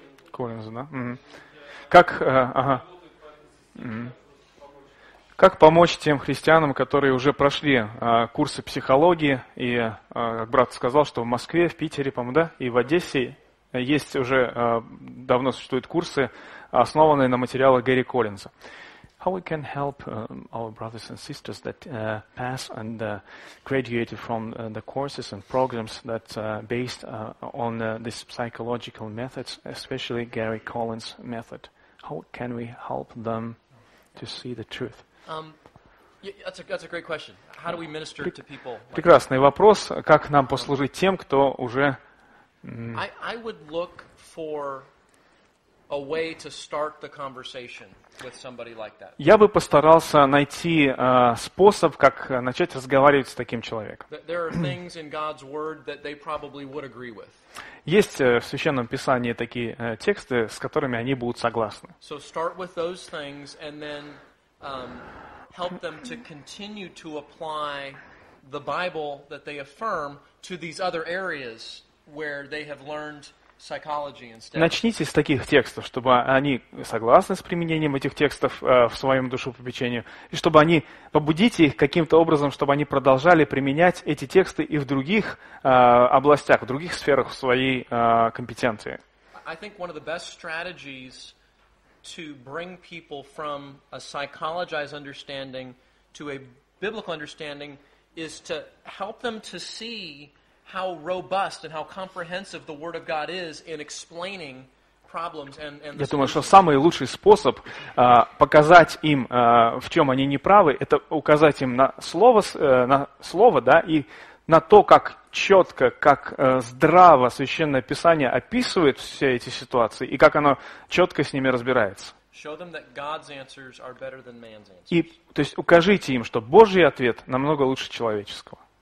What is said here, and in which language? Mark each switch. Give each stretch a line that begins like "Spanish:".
Russian: Коллинз, да? Как помочь тем христианам, которые уже прошли курсы психологии, и, как брат сказал, что в Москве, в Питере, по-моему, да, и в Одессе есть уже давно существуют курсы, основанные на материалах Гэри Коллинза.
English: How we can help our brothers and sisters that pass and graduated from the courses and programs that based on this psychological methods, especially Gary Collins' method? How can we help them to see the truth? That's a great question. How do we minister to people?
Russian: Прекрасный вопрос. Как нам послужить тем, кто уже?
English: I would look for a way to start the conversation with somebody like that.
Russian: Я бы постарался найти способ, как начать разговаривать с таким человеком.
English: There are things in God's word that they probably would agree with.
Russian: Есть в Священном Писании такие тексты, с которыми они будут согласны.
English: So start with those things and then help them to continue to apply the Bible that they affirm to these other areas where they have learned psychology instead.
Russian: Начните с таких текстов, чтобы они согласны с применением этих текстов в своем душепопечении, и чтобы они побудите их каким-то образом, чтобы они продолжали применять эти тексты и в других областях, в других сферах в своей компетенции.
English: I think one of the best strategies to bring people from a psychologized understanding to a biblical understanding is to help them to see how robust and how comprehensive the Word of God is in explaining problems and the solutions.
Russian: Я думаю, что самый лучший способ показать им, в чем они неправы, это указать им на слово, да, и на то, как четко, как здраво Священное Писание описывает все эти ситуации и как оно четко с ними разбирается.
English: Show them that God's answers are better than man's answers.
Russian: И, то есть, укажите им, что Божий ответ намного лучше человеческого.